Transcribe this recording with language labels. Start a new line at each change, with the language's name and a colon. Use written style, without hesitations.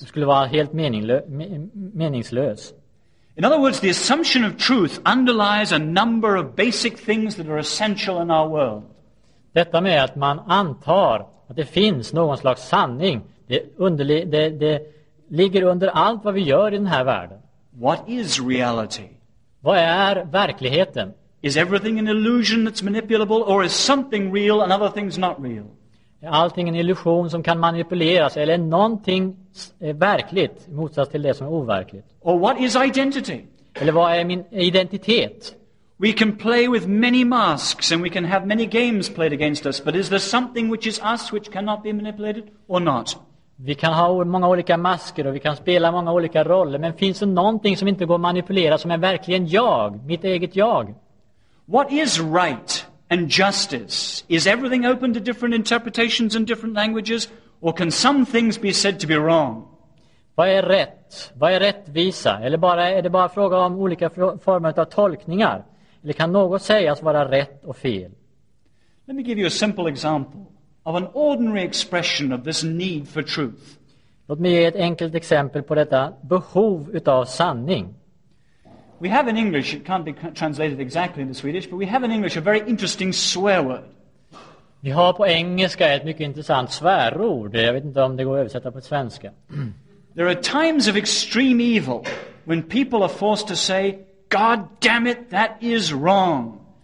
Swedish: Det skulle vara helt meningslös.
English: In other words, the assumption of truth underlies a number of basic things that are essential in our world.
Swedish: Detta med att man antar att det finns någon slags sanning, det ligger under allt vad vi gör i den här världen.
English: What is reality?
Swedish: Vad är verkligheten?
English: Is everything an illusion that's manipulable, or is something real and other things not real?
Swedish: Är allting en illusion som kan manipuleras, eller är någonting verkligt motsatt till det som är overkligt?
English: Or what is identity?
Swedish: Eller vad är min identitet?
English: We can play with many masks and we can have many games played against us, but is there something which is us which cannot be manipulated or not?
Swedish: Vi kan ha många olika masker och vi kan spela många olika roller, men finns det någonting som inte går att manipulera, som är verkligen jag, mitt eget jag?
English: What is right and justice? Is everything open to different interpretations and different languages, or can some things be said to be wrong?
Swedish: Vad är rätt? Vad är rättvisa? Eller bara är det bara fråga om olika former av tolkningar? Eller kan något sägas vara rätt och fel?
English: Let me give you a simple example of an ordinary expression of this need for truth.
Swedish: Låt mig ge ett enkelt exempel på detta behov utav sanning.
English: We have in English, it can't be translated exactly into Swedish, but we have in English a very interesting swear word.
Swedish: Vi har på engelska ett mycket intressant svärord. Jag vet inte om det går att översätta på svenska.
English: There are times of extreme evil when people are forced to say, God damn it, that is wrong.